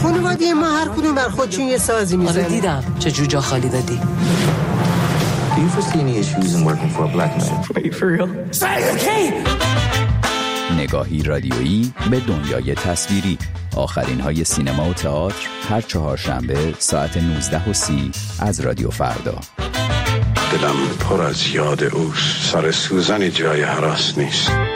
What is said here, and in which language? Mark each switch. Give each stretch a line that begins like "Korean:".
Persian: خانواده ما هر کدوم بر خودشون یه سازی میزنن. آره دیدم چه جوجا خالی دادی.
English: Do you foresee any issues in working for a black man? Are you for real? Say it again!
Persian: نگاهی رادیویی به دنیای تصویری، آخرین های سینما و تئاتر، هر چهارشنبه ساعت 19:30 از رادیو فردا. دلم پر از یاد اوست، سر سوزن جای هراس نیست.